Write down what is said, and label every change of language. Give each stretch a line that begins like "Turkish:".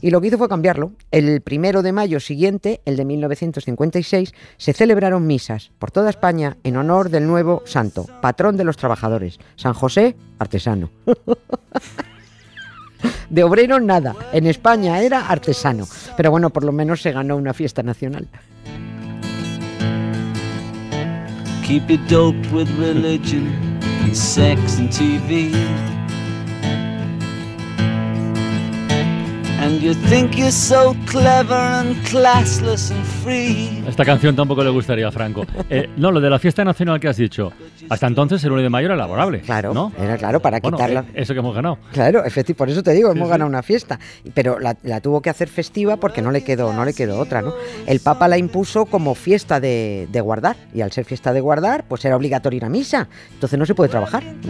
Spanish: Y lo que hizo fue cambiarlo. El primero de mayo siguiente, el de 1956, se celebraron misas por toda España en honor del nuevo santo, patrón de los trabajadores, San José artesano. De obrero nada, en España era artesano. Pero bueno, por lo menos se ganó una fiesta nacional.
English: Keep it doped with religion and sex and TV. And you think you're so clever and classless and free.
Spanish: Esta canción tampoco le gustaría a Franco. No, lo de la fiesta nacional que has dicho. Hasta entonces el 1 de mayo era laborable. Claro, ¿no? Era claro para quitarla. Bueno, eso que hemos ganado. Claro, por eso te digo, hemos ganado una fiesta. Pero la tuvo que hacer festiva porque no le quedó otra, ¿no? El Papa la impuso como fiesta de guardar. Y al ser fiesta de guardar, pues era obligatorio ir a misa. Entonces no se puede trabajar.